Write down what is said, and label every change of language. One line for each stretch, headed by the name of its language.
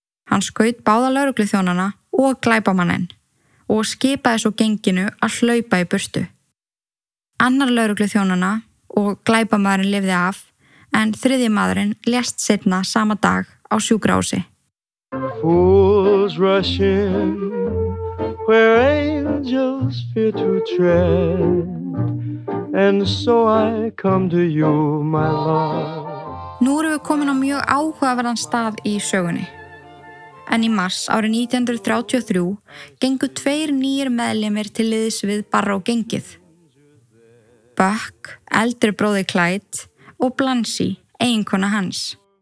Icelandic: Hann skaut báða lögregluþjónana og glæpamanninn og skipaði svo genginu að hlaupa í burtu. Annar lögregluþjónana og glæpamaðurinn lifði af en þriðji maðurinn lést seinna sama dag á sjúkrahúsi.
English: Fools rush in where angels fear to tread and so I come to you, my love.
Icelandic: Nú erum við komin á mjög áhugaverðan stað í sögunni. En í mars árið 1933 gengu tveir nýjir meðlimir til liðs við bara á gengið. Buck, eldri bróði Clyde og Blancy, eiginkona hans.